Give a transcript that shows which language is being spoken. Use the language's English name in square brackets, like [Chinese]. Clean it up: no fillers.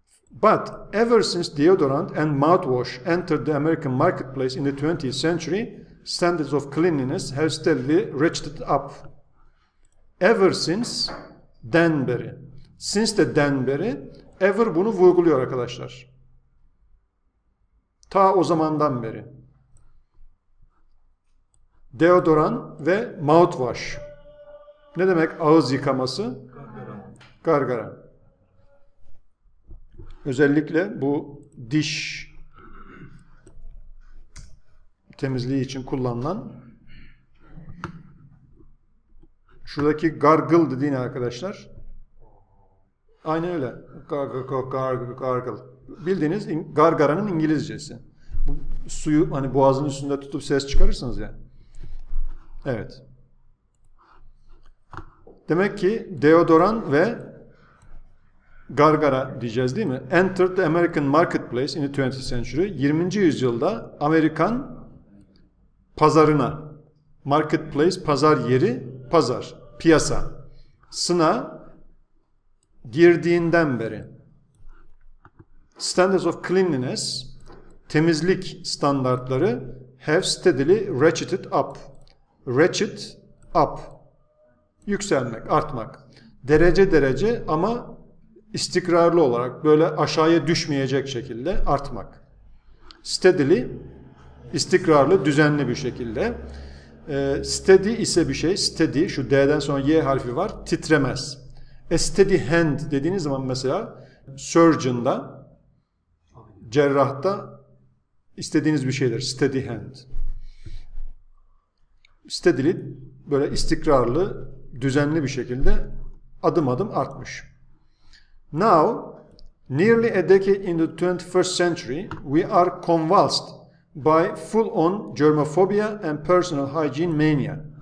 [English] But ever since deodorant and mouthwash entered the American marketplace in the 20th century, standards of cleanliness have steadily ratcheted up. [Turkish] Ever since, den beri. Since de den beri, ever bunu vurguluyor arkadaşlar. Ta o zamandan beri. Deodorant ve mouthwash. Ne demek ağız yıkaması? Gargara. Gargara. Özellikle bu diş temizliği için kullanılan, şuradaki gargle dediğini arkadaşlar, aynen öyle, gargle, bildiğiniz gargaranın İngilizcesi. Bu suyu hani boğazın üstünde tutup ses çıkarırsınız ya. Evet. Demek ki deodorant ve gargara diyeceğiz değil mi? [English] Entered the American marketplace in the 20th century. 20. [Turkish] yüzyılda Amerikan pazarına, marketplace, pazar yeri, pazar, piyasa, sına girdiğinden beri. [English] Standards of cleanliness, [Turkish] temizlik standartları [English] have steadily ratcheted up. [Turkish] Ratchet up. Yükselmek, artmak. Derece derece ama istikrarlı olarak, böyle aşağıya düşmeyecek şekilde artmak. Steadily, istikrarlı, düzenli bir şekilde. Steady ise bir şey, steady, şu D'den sonra Y harfi var, titremez. A steady hand dediğiniz zaman mesela surgeon'da, cerrahta istediğiniz bir şeydir, steady hand. Steadily, böyle istikrarlı, düzenli bir şekilde adım adım artmış. [English] Now, nearly a decade in the 21st century, we are convulsed by full-on germophobia and personal hygiene mania.